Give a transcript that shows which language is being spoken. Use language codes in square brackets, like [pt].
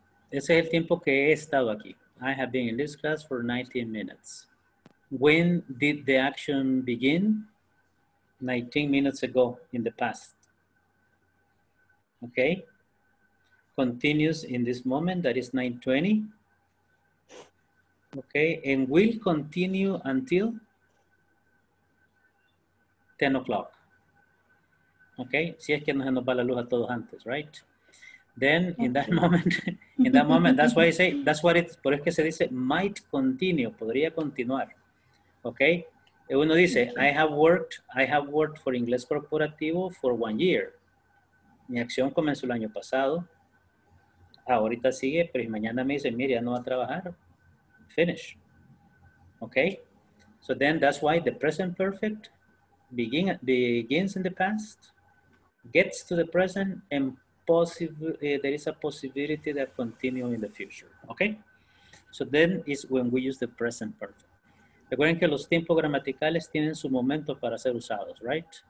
[es] Ese es el tiempo que he estado aquí. [en] I have been in this class for 19 minutes. When did the action begin? 19 minutes ago in the past. Okay. Continues in this moment, that is 9:20. Okay. And will continue until 10 o'clock. [es] Okay, si es que no se nos va la luz a todos antes, right? [en] Then in that moment, that's why I say, that's what it's, [es] por eso que se dice, [en] might continue, [es] podría continuar. [en] Okay, [es] uno dice, [en] I have worked for Inglés Corporativo for 1 year. [es] Mi acción comenzó el año pasado, ahorita sigue, pero mañana me dice, mira, ya no va a trabajar, finish. [en] Okay, so then that's why the present perfect begins in the past, gets to the present, and there is a possibility that continue in the future, okay? So then is when we use the present perfect. [es] Recuerden que los tiempos gramaticales tienen su momento para ser usados, right?